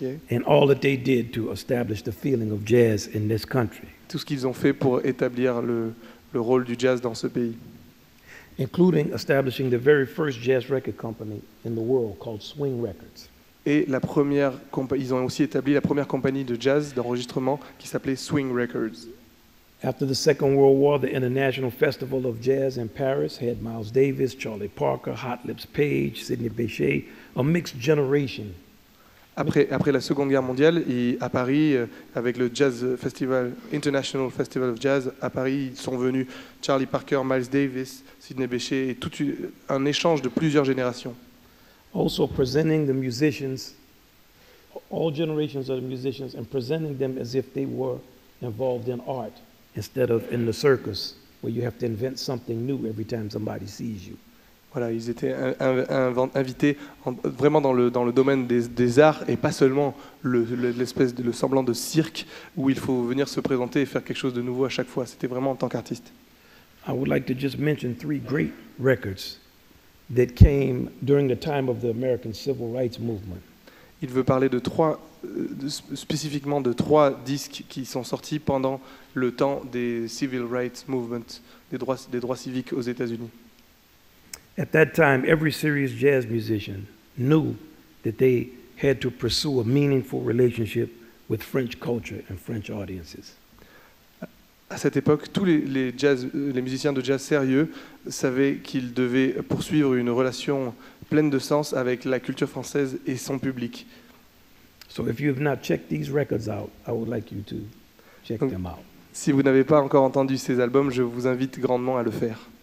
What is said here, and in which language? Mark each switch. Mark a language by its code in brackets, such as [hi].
[en] and all that they did to establish the feeling of jazz in this country. [fr] Tout ce qu'ils ont fait pour établir le rôle du jazz dans ce pays. [en] Including establishing the very first jazz record company in the world called Swing Records. [fr] Et ils ont aussi établi la première compagnie de jazz d'enregistrement qui s'appelait Swing Records. [en] After the Second World War, the International Festival of Jazz in Paris had Miles Davis, Charlie Parker, Hot Lips Page, Sidney Bechet, a mixed generation. [fr] Après la Seconde Guerre mondiale, et à Paris, avec le Jazz Festival, International Festival of Jazz, à Paris, ils sont venus Charlie Parker, Miles Davis, Sidney Bechet, et tout un échange de plusieurs générations. [en] Also presenting the musicians, all generations of the musicians, and presenting them as if they were involved in art, instead of in the circus, where you have to invent something new every time somebody sees you. [fr] Voilà, ils étaient invités vraiment dans le domaine des arts et pas seulement l'espèce de le semblant de cirque où il faut venir se présenter et faire quelque chose de nouveau à chaque fois. C'était vraiment en tant qu'artiste. [en] I would like to just mention three great records that came during the time of the American Civil Rights Movement. [fr] Il veut parler de spécifiquement de trois disques qui sont sortis pendant le temps des Civil Rights Movement, des droits civiques aux États-Unis. [en] At that time, every serious jazz musician knew that they had to pursue a meaningful relationship with French culture and French audiences. [fr] À cette époque, tous les musiciens de jazz sérieux savaient qu'ils devaient poursuivre une relation pleine de sens avec la culture française et son public. [en] So if you have not checked these records out, I would like you to check them out. [fr] Si vous n'avez pas encore entendu ces albums, je vous invite grandement à le faire.